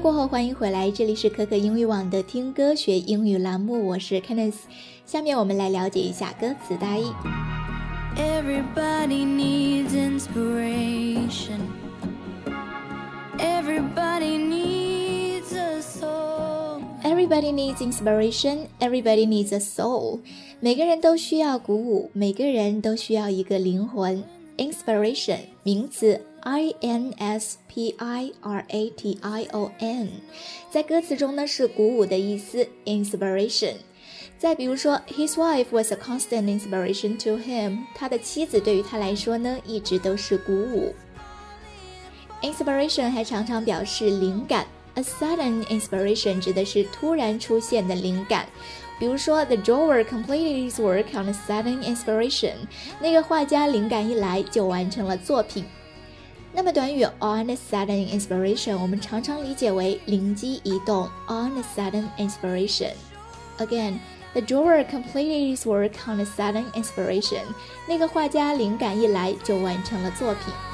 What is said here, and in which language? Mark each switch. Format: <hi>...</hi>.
<zh>欢迎回来，这里是可可英语网的听歌学英语栏目，我是 Kenneth。下面我们来了解一下歌词大意。</zh> <en>Everybody needs inspiration, Everybody needs a soul, Everybody needs inspiration, Everybody needs a soul,</en> <zh>每个人都需要鼓舞，每个人都需要一个灵魂。 Inspiration 名词，I-N-S-P-I-R-A-T-I-O-N， 在歌词中呢是鼓舞的意思， Inspiration。再比如说</zh> <en>His wife was a constant inspiration to him，</en> <zh>他的妻子对于他来说呢一直都是鼓舞。 Inspiration 还常常表示灵感，</zh> <en>A sudden inspiration</en> <zh>指的是突然出现的灵感，比如说</zh> <en>The drawer completed his work on a sudden inspiration，</en> <zh>那个画家灵感一来就完成了作品。那么短语</zh> <en>on a sudden inspiration</en> <zh>我们常常理解为灵机一动， on a sudden inspiration。</zh> <en>Again, the drawer completed his work on a sudden inspiration，</en> <zh>那个画家灵感一来就完成了作品。</zh>